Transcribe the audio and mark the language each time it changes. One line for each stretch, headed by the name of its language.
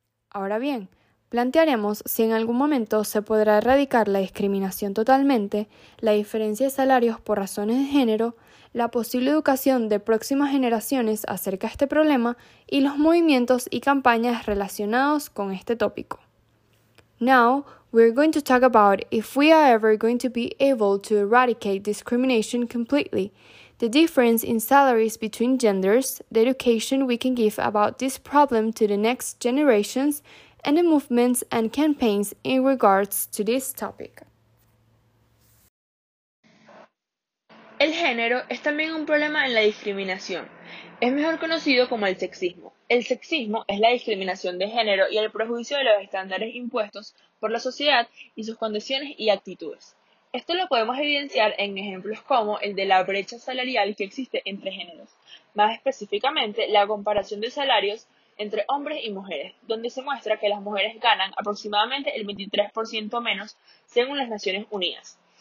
Spanish: Ahora bien, plantearemos si en algún momento se podrá erradicar la discriminación totalmente, la diferencia de salarios por razones de género, la posible educación de próximas generaciones acerca de este problema y los movimientos y campañas relacionados con este tópico.
English: Now, we're going to talk about if we are ever going to be able to eradicate discrimination completely, the difference in salaries between genders, the education we can give about this problem to the next generations, and the movements and campaigns in regards to this topic.
Spanish: El género es también un problema en la discriminación. Es mejor conocido como el sexismo. El sexismo es la discriminación de género y el prejuicio de los estándares impuestos por la sociedad y sus condiciones y actitudes. Esto lo podemos evidenciar en ejemplos como el de la brecha salarial que existe entre géneros, más específicamente la comparación de salarios entre hombres y mujeres, donde se muestra que las mujeres ganan aproximadamente el 23% menos según las Naciones Unidas.